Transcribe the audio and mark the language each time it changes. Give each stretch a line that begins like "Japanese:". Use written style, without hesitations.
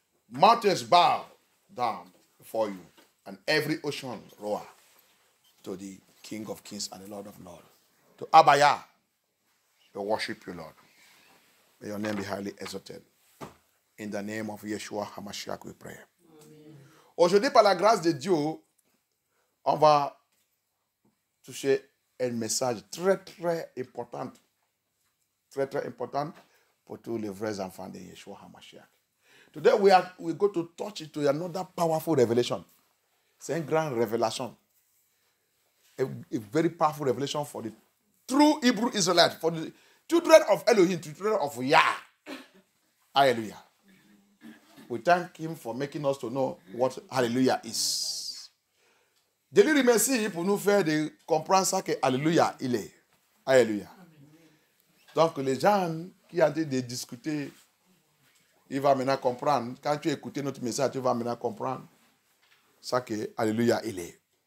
English: Mountains bow down before you, and every ocean roar to the King of Kings and the Lord of Lords. To Abaya, we worship you, Lord. May your name be highly exalted. In the name of Yeshua HaMashiach, we pray. Amen.
French: Aujourd'hui, par la grâce de Dieu, on va toucher un message très, très important. Très, très important pour tous les vrais enfants de Yeshua HaMashiach.
English: Today, we go to touch into another powerful revelation.
French: C'est une grande révélation.
English: A very powerful revelation for the true Hebrew Israelite, for the children of Elohim, children of Yah. Hallelujah. We thank him for making us to know what Hallelujah is.
French: Je lui remercie pour nous faire comprendre ça que Alléluia, il est. Alléluia. Donc, les gens qui ont dit de discuter, ils vont maintenant comprendre. Quand tu écoutes notre message, tu vas maintenant comprendre ça que Alléluia, il est.